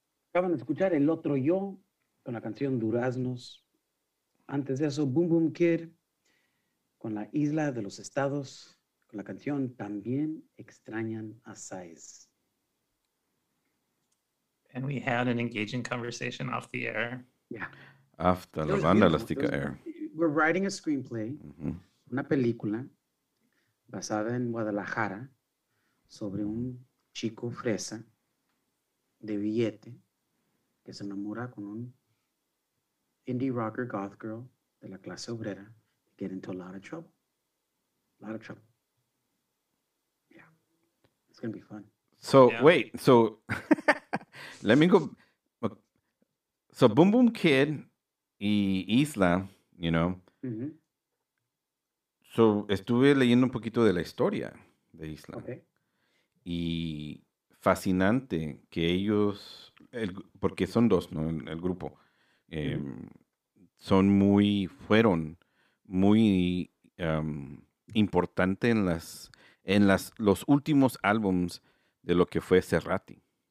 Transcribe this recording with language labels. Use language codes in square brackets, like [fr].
[es] Acaban de escuchar El Otro Yo con la canción Duraznos. Antes de eso, Boom Boom Kid con La Isla de los Estados, con la canción También Extrañan a Size. [en] And we had an engaging conversation off the air. Yeah. After la banda Elastica Air. We're writing a screenplay, mm-hmm. [es] una película basada en Guadalajara sobre un chico fresa de billete que se enamora con un indie rocker goth girl de la clase obrera, [en] get into a lot of trouble. A lot of trouble. Yeah. It's going to be fun. So, yeah. Wait. So, let me go. So, Boom Boom Kid y Isla, you know. Mm-hmm. [es] So, estuve leyendo un poquito de la historia de Isla. Okay. Y fascinante que ellos... porque son dos, ¿no? El grupo. Son muy, fueron muy importante en las los últimos álbums de lo que fue Cerati.